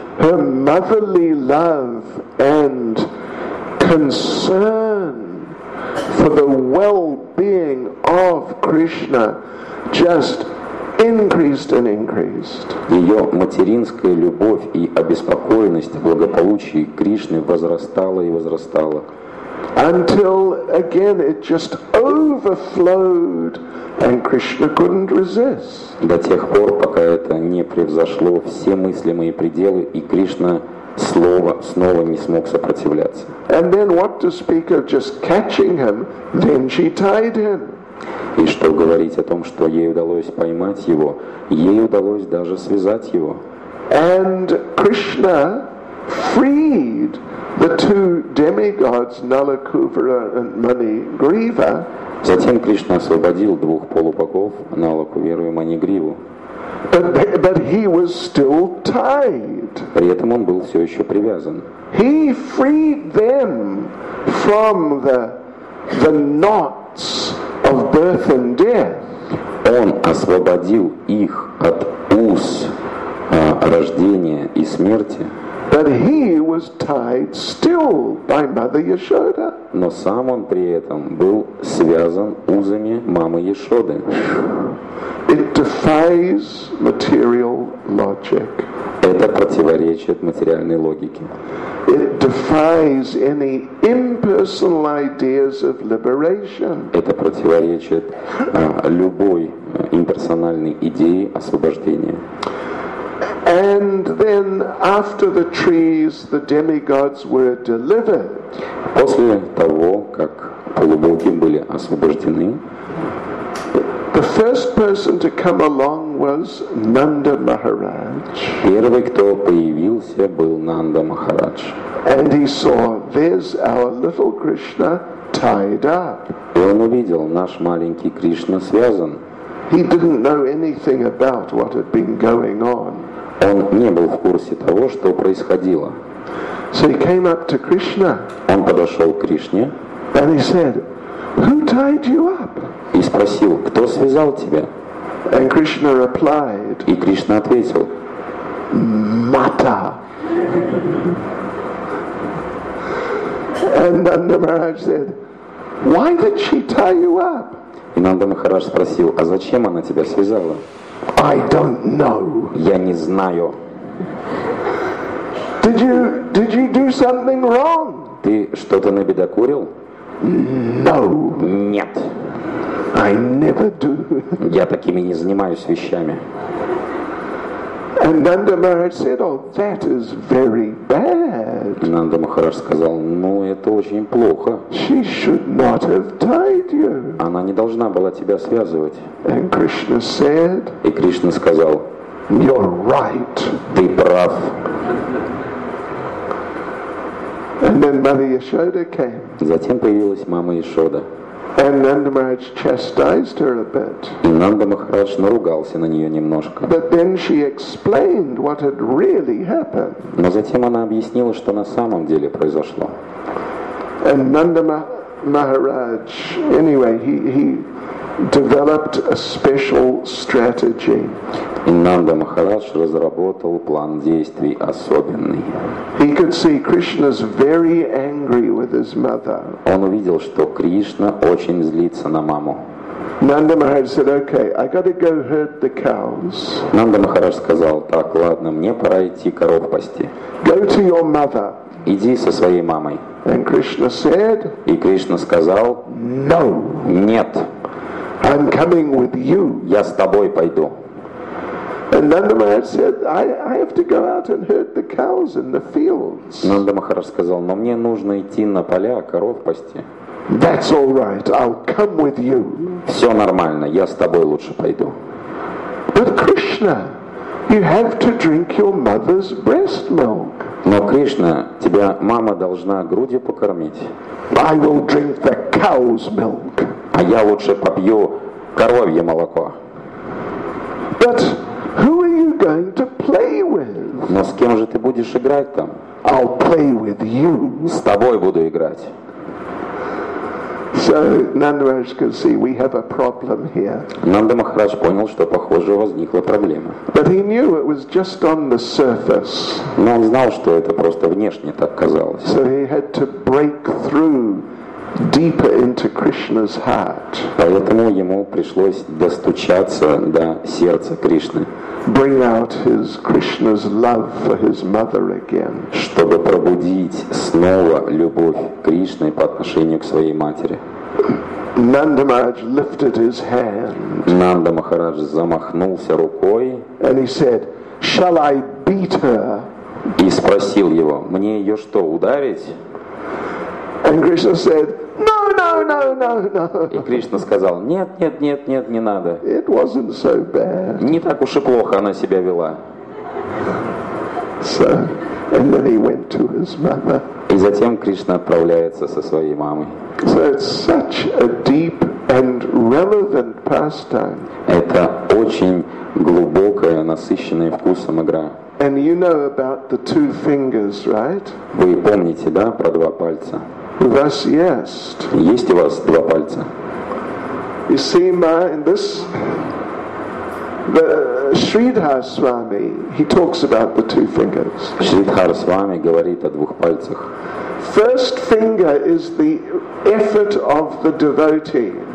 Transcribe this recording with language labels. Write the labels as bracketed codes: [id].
[en] Her motherly love and concern for the well-being of Krishna just increased and increased. [ru] Ее материнская любовь и обеспокоенность благополучии Кришны возрастала и возрастала. [en] Until again it just overflowed and Krishna couldn't resist. [ru] До тех пор, пока это не превзошло все мыслимые пределы, и Кришна снова не смог сопротивляться. [en] And then what to speak of just catching him, then she tied him. [ru] И что говорить о том, что ей удалось поймать его, ей удалось даже связать его. [en] And Krishna freed the two demigods, Nalakuvara and Manigriva. [ru] Затем Кришна освободил двух полубогов, Налакуверу и Манигриву. [en] But he was still tied. [ru] При этом он был все еще привязан. [en] He freed them from the knots of birth and death. [ru] Он освободил их от уз рождения и смерти. [en] But he was tied still by Mother Yashoda. [ru] Но сам он при этом был связан узами мамы Яшоды. [en] It defies material logic. [ru] Это противоречит материальной логике. [en] It defies any impersonal ideas of liberation. [ru] Это противоречит любой имперсональной идее освобождения. [en] And then after the trees the demigods were delivered. [ru] После того, как полубоги были освобождены, [en] the first person to come along was Nanda Maharaj. [ru] Первый, кто появился, был Нанда Махарадж. [en] And he saw, there's our little Krishna tied up. [ru] И он увидел, наш маленький Кришна связан. [en] He didn't know anything about what had been going on. [ru] Он не был в курсе того, что происходило. [en] So he came up to Krishna. [ru] Он подошел к Кришне. [en] And he said, "Who tied you up?" [ru] И спросил, кто связал тебя? [en] And Krishna replied, [ru] и Кришна ответил, [en] "Mata." And Nanda Maharaj said, "Why did she tie you up?" [ru] И Нанда Махарадж спросил, а зачем она тебя связала? [en] I don't know. [ru] Я не знаю. [en] Did you do something wrong? [ru] Ты что-то набедокурил? [en] No. [ru] Нет. [en] I never do. [ru] Я такими не занимаюсь вещами. [en] And Nanda Maharaj said, "Oh, that is very bad." died. [ru] И Нанда Махарадж сказал, ну это очень плохо. [en] She should not have tied you. [ru] Она не должна была тебя связывать. [en] And Krishna said, [ru] и Кришна сказал, [en] you're right. [ru] Ты прав. [en] And then Mother Yashoda came. [ru] Затем появилась мама Яшода. [en] And Nanda Maharaj chastised her a bit. [ru] И Нанда Махарадж наругался на нее немножко. [en] But then she explained what had really happened. [ru] Но затем она объяснила, что на самом деле произошло. [en] And Nanda Maharaj, anyway, he developed a special strategy. [ru] И Нанда Махарадж разработал план действий особенный. [en] He could see Krishna's very angry with his mother. [ru] Он увидел, что Кришна очень злится на маму. [en] Nanda Maharaj said, "Okay, I got to go herd the cows." [ru] Нанда Махарадж сказал: "Так, ладно, мне пора идти коров пасти." [en] Go to your mother. [ru] Иди со своей мамой. [en] And Krishna said. [ru] И Кришна сказал: [en] "No." [ru] Нет. [en] I'm coming with you. [ru] Я с тобой пойду. [en] And Nanda Maharaj said, "I have to go out and herd the cows in the fields." [ru] Нанда Махарадж сказал: "Но мне нужно идти на поля коров пасти." [en] That's all right. I'll come with you. [ru] Все нормально. Я с тобой лучше пойду. [en] But Krishna, you have to drink your mother's breast milk. [ru] Но Кришна, тебя мама должна грудью покормить. [en] I will drink the cow's milk. [ru] А я лучше попью коровье молоко. [en] But who are you going to play with? [ru] Но с кем же ты будешь играть там? [en] I'll play with you. [ru] С тобой буду играть. [en] So Nanda Maharaj could see we have a problem here. [ru] Нанда Махарадж понял, что похоже возникла проблема. [en] But he knew it was just on the surface. [ru] Но он знал, что это просто внешне так казалось. [en] So he had to break through deeper into Krishna's heart. [ru] Поэтому ему пришлось достучаться до сердца Кришны. [en] Bring out his Krishna's love for his mother again. [ru] Чтобы пробудить снова любовь Кришны по отношению к своей матери. [en] Nanda Maharaj lifted his hand. [ru] Нанда Махарадж замахнулся рукой. [en] And he said, "Shall I beat her?" [ru] И спросил его: "Мне ее что, ударить?" [en] And Krishna said, "No, no, no, no, no." [ru] И Кришна сказал: "Нет, нет, нет, нет, не надо." [en] It wasn't so bad. [ru] Не так уж и плохо она себя вела. [en] So, and then he went to his mother. [ru] И затем Кришна отправляется со своей мамой. [en] So it's such a deep and relevant pastime. [ru] Это очень глубокая, насыщенная вкусом игра. [en] And you know about the two fingers, right? [ru] Вы помните, да, про два пальца? У вас есть? Есть у вас два пальца? [en] You see, in this, the Shridhar Swami, he talks about the two fingers. [ru] Shridhar Swami говорит о двух пальцах. [en] First finger is the effort of the devotee.